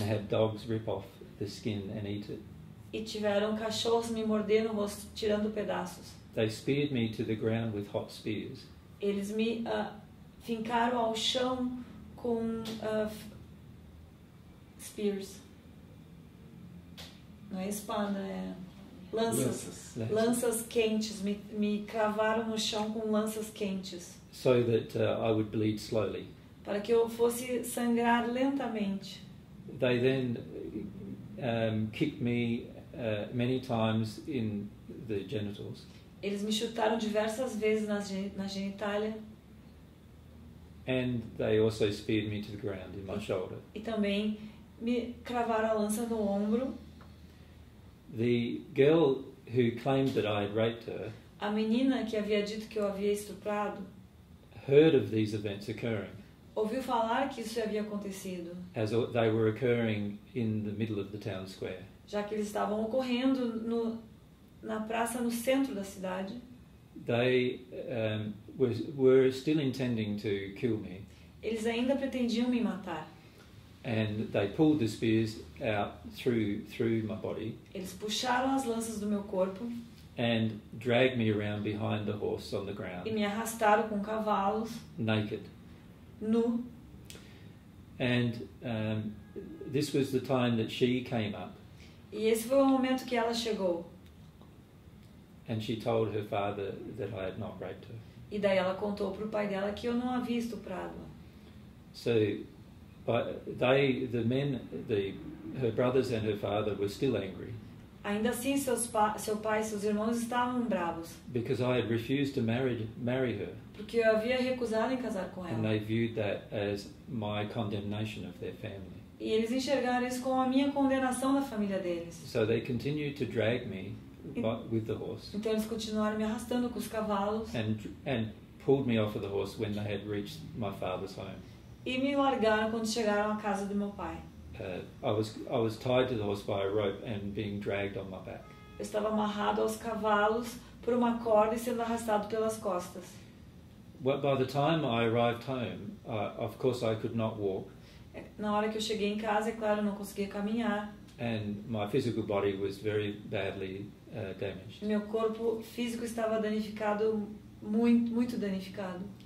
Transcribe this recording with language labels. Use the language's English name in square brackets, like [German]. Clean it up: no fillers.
[English] And had dogs rip off the skin and eat it. [Portuguese] E tiveram cachorros me morder no rosto, tirando pedaços. [English] They speared me to the ground with hot spears. [Portuguese] Eles me fincaram ao chão com [English] spears. [Portuguese] Não é espada, é lanças quentes, me cravaram no chão com lanças quentes. [English] So that I would bleed slowly. [Portuguese] Para que eu fosse sangrar lentamente. [English] They then kicked me many times in the genitals. [Portuguese] Eles me chutaram diversas vezes na genitália. [English] And they also speared me to the ground in my shoulder. [Portuguese] E também me cravaram a lança no ombro. [English] The girl who claimed that I had raped her. [Portuguese] A menina que havia dito que eu havia estuprado. [English] Heard of these events occurring. [Portuguese] Ouviu falar que isso havia acontecido. [English] As they were occurring in the middle of the town square. [Portuguese] Já que eles estavam ocorrendo no na praça no centro da cidade. [English] They were still intending to kill me. [Portuguese] Eles ainda pretendiam me matar. [English] And they pulled the spears out through my body. [Portuguese] Eles puxaram as lanças do meu corpo. [English] And dragged me around behind the horse on the ground. [Portuguese] E me arrastaram com cavalos. [English] Naked. [Portuguese] Nu. [English] And this was the time that she came up. [Portuguese] E esse foi o momento que ela chegou. [English] And she told her father that I had not raped her. [Portuguese] E daí ela contou pro pai dela que eu não havia estuprado. [English] So, but her brothers and her father were still angry. [Portuguese] Ainda assim, seu pai e seus irmãos estavam bravos. [English] Because I had refused to marry her. [Portuguese] Porque eu havia recusado em casar com ela. [English] And they viewed that as my condemnation of their family. [Portuguese] E eles enxergaram isso como a minha condenação da família deles. [English] So they continued to drag me. With the horse. [Portuguese] Então eles continuaram me arrastando com os cavalos. [English] And pulled me off of the horse when they had reached my father's home. [Portuguese] E me largaram quando chegaram à casa do meu pai. [English] I was tied to the horse by a rope and being dragged on my back. [Portuguese] Eu estava amarrado aos cavalos por uma corda e sendo arrastado pelas costas. [English] Well, by the time I arrived home, of course I could not walk. [Portuguese] Na hora que eu cheguei em casa, é claro, eu não conseguia caminhar. [English] And my physical body was very badly damaged. [Portuguese] Meu corpo físico estava danificado, muito, muito danificado.